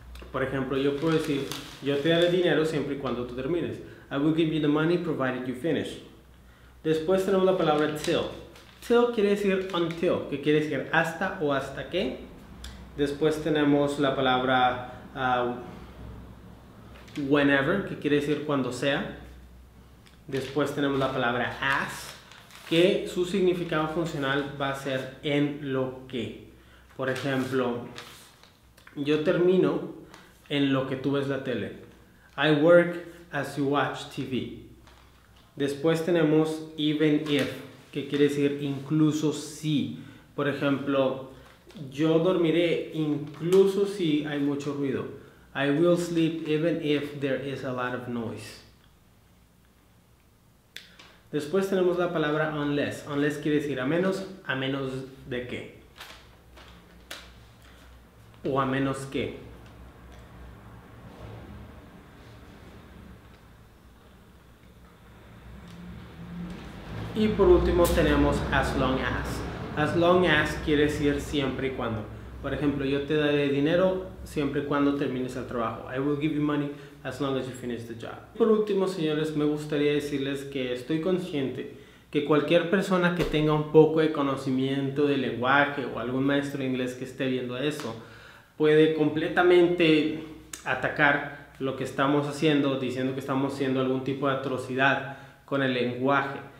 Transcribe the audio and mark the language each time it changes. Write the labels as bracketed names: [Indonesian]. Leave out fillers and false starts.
[Spanish] Por ejemplo, yo puedo decir, yo te daré el dinero siempre y cuando tú termines. [English] I will give you the money provided you finish. [Spanish] Después tenemos la palabra till. Till quiere decir until, que quiere decir hasta o hasta qué. Después tenemos la palabra whenever, que quiere decir cuando sea. Después tenemos la palabra as, que su significado funcional va a ser en lo que. Por ejemplo, yo termino en lo que tú ves la tele. [English] I work as you watch TV. [Spanish] Después tenemos even if, que quiere decir incluso si. Por ejemplo, yo dormiré incluso si hay mucho ruido. [English] I will sleep even if there is a lot of noise. [Spanish] Después tenemos la palabra unless. Unless quiere decir a menos de qué. O a menos que. Y por último tenemos as long as. As long as quiere decir siempre y cuando. Por ejemplo, yo te daré dinero siempre y cuando termines el trabajo. [English] I will give you money as long as you finish the job. [Spanish] Por último, señores, me gustaría decirles que estoy consciente que cualquier persona que tenga un poco de conocimiento de lenguaje o algún maestro de inglés que esté viendo eso puede completamente atacar lo que estamos haciendo diciendo que estamos haciendo algún tipo de atrocidad con el lenguaje.